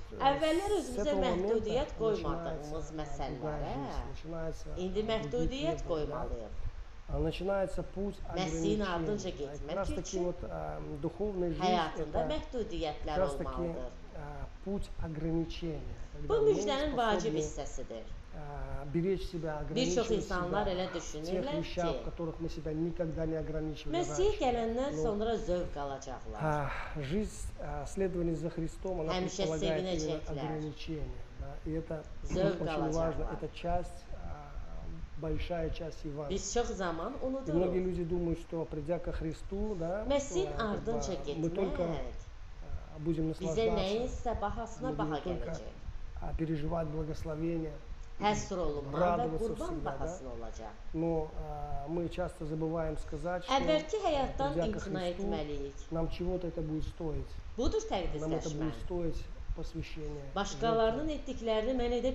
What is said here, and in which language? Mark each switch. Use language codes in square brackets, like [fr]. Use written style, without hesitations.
[az] Əvvəllər özümüzə məhdudiyyət qoymadığımız məsələlərə indi məhdudiyyət qoymalıyıq. [ru] Начинается путь ограничения. Как раз таки вот духовная жизнь, это как раз таки путь ограничения. [az] Bu müjdənin vacib hissəsidir. Bir çox insanlar elə düşünürlər ki, Məsih gələndən sonra zövq alacaqlar. Həmişə sevinəcəklər. [ru] Большая часть Евангелия. Многие люди думают, что придя ко Христу, да, мы только будем наслаждаться, мы будем только переживать благословение, радоваться всегда. Да? Но мы часто забываем сказать, что придя ко Христу, нам чего-то это будет стоить. Нам это будет стоить. [az] Başqalarının etdiklərini mən edə